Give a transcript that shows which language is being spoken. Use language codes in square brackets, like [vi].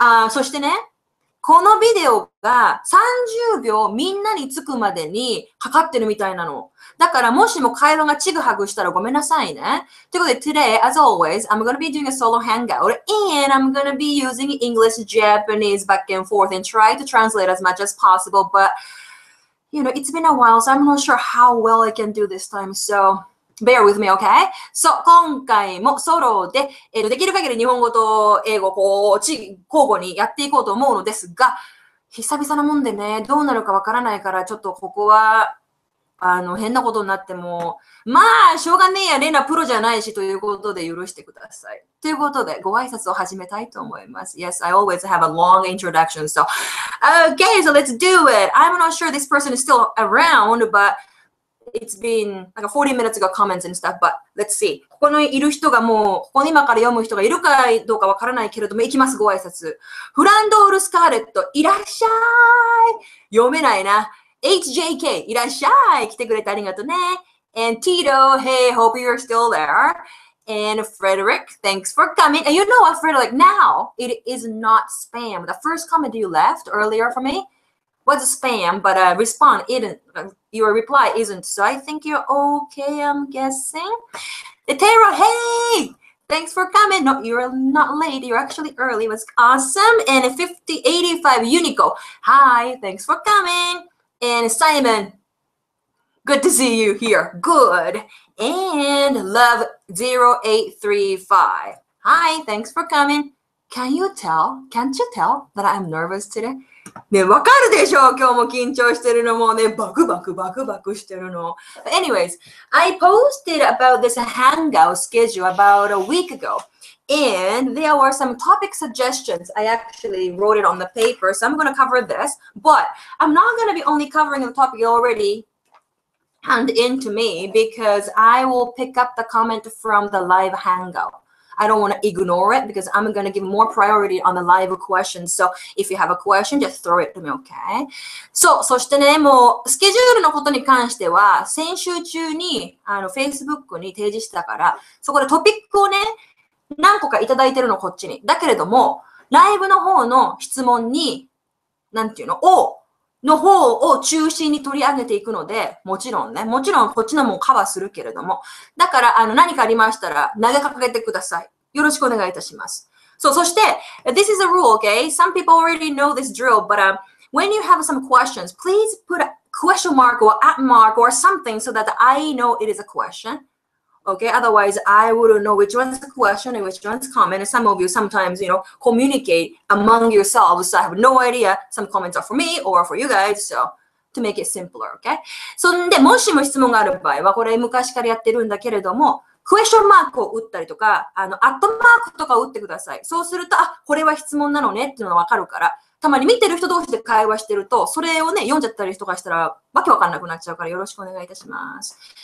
[ja] そしてね、このビデオが30秒みんなに着くまでにかかってるみたいなの。だからもしも回路がちぐはぐしたらごめんなさいね。ということで、 [en] Today, as always, I'm gonna be doing a solo hangout and I'm gonna be using English, Japanese back and forth and try to translate as much as possible, but, you know, it's been a while, so I'm not sure how well I can do this time, so... Bear with me, okay? [ja] So, 今回もソロで、できる限り日本語と英語をこう、交互にやっていこうと思うのですが、久々なもんでね、どうなるかわからないから、ちょっとここは、変なことになっても、まあ、しょうがねえや、レナプロじゃないし、ということで許してください。ということで、ご挨拶を始めたいと思います。 [en] Yes, I always have a long introduction, so... Okay, so let's do it! I'm not sure this person is still around, butIt's been like 40 minutes ago comments and stuff, but let's see. [ja] ここにいる人がもう、ここに今から読む人がいるかどうかわからないけれども、行きます、ご挨拶。フランドール・スカーレット、いらっしゃい。読めないな。 HJK、いらっしゃい。来てくれてありがとうね。 [en] And Tito, hey, hope you're still there. And Frederick, thanks for coming. And you know what, Frederick, now it is not spam. The first comment you left earlier for me? Was spam, but respond isn't. Your reply isn't. So I think you're okay. I'm guessing. Etero, hey, thanks for coming. No, you're not late. You're actually early. It was awesome. And 5085 Unico, hi, thanks for coming. And Simon, good to see you here. Good. And Love 0835, hi, thanks for coming. Can you tell? Can't you tell that I'm nervous today? [ja] ね、わかるでしょう。 [en] 今日も緊張してるのもね、バクバクバクバクしてるの。 But anyways, I posted about this hangout schedule about a week ago, and there were some topic suggestions. I actually wrote it on the paper, so I'm going to cover this. But I'm not going to be only covering the topic already hand into me because I will pick up the comment from the live hangout. I don't want to ignore it because I'm going to give more priority on the live questions. So if you have a question, just throw it to me, okay? [ja] So, そしてね、もうスケジュールのことに関しては、先週中にFacebook に提示したから、そこでトピックをね、何個かいただいてるの、こっちに。だけれども、ライブの方の質問に、なんていうの、をの方を中心に取り上げていくので、もちろんね、もちろんこっちのもカバーするけれども。だから、何かありましたら投げかけてください。よろしくお願いいたします。 [en] So, [ja] そして、 [en] This is a rule, okay? Some people already know this drill, but, when you have some questions, please put a question mark or at mark or something so that I know it is a question. Okay? Otherwise, I wouldn't know which one's a question and which one's comment. And some of you sometimes, you know, communicate among yourselves. So I have no idea. Some comments are for me or for you guys. So to make it simpler, okay? [ja] そんで、もしも質問がある場合は、これ昔からやってるんだけれども、クエスチョンマークを打ったりとか、アットマークとか打ってください。そうすると、あ、これは質問なのねっていうのがわかるから、たまに見てる人同士で会話してると、それをね、読んじゃったりとかしたら、わけわかんなくなっちゃうから、よろしくお願いいたします。